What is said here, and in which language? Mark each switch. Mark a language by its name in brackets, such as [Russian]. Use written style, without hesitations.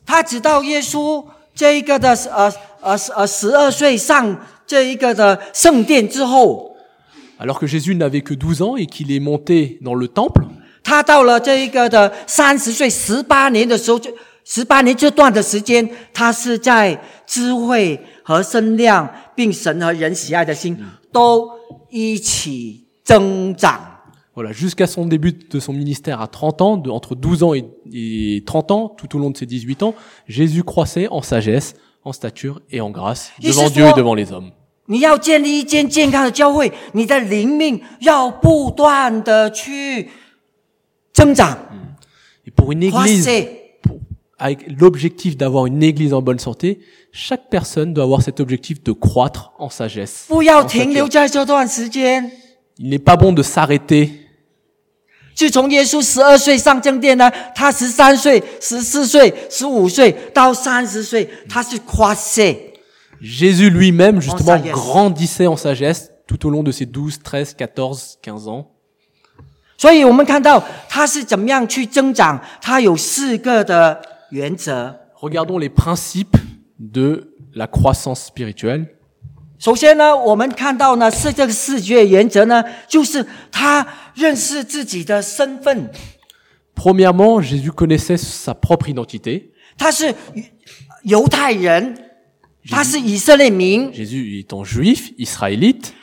[Chinese] 他知道耶稣这一个的12岁上这一个的圣殿之后。 [French] Alors que Jésus n'avait que 12 ans et qu'il est monté dans le temple. [Chinese] 他到了这一个的30岁18年的时候，18年这段的时间，他是在智慧和身量，并神和人喜爱的心都一起增长。 [French] Voilà, jusqu'à son début de son ministère à 30 ans, entre 12 ans et 30 ans, tout au long de ses 18 ans, Jésus croissait en sagesse, en stature et en grâce devant Dieu et devant les hommes. [Chinese] 你要建立一间健康的教会，你的灵命要不断的去增长。 [French] Et pour une église, avec l'objectif d'avoir une église en bonne santé, chaque personne doit avoir cet objectif de croître en sagesse. [Chinese] 不要停留在这段时间。 [French] Il n'est pas bon de s'arrêter. [Chinese] 自从耶稣12岁上圣殿呢，他13岁、14岁、15岁到30岁，他是croissait。 [French] Jésus lui-même, justement, grandissait en sagesse tout au long de ses 12, 13, 14, 15 ans. [Chinese] 所以我们看到他是怎么样去增长，他有四个的原则。 [French] Regardons les principes de la croissance spirituelle. [Chinese] 首先呢，我们看到呢，是这个四诫原则呢，就是他认识自己的身份。 [French] Premièrement, Jésus connaissait sa propre identité. [Chinese] 他是犹太人，他是以色列民。 [French] Jésus étant juif, israélite.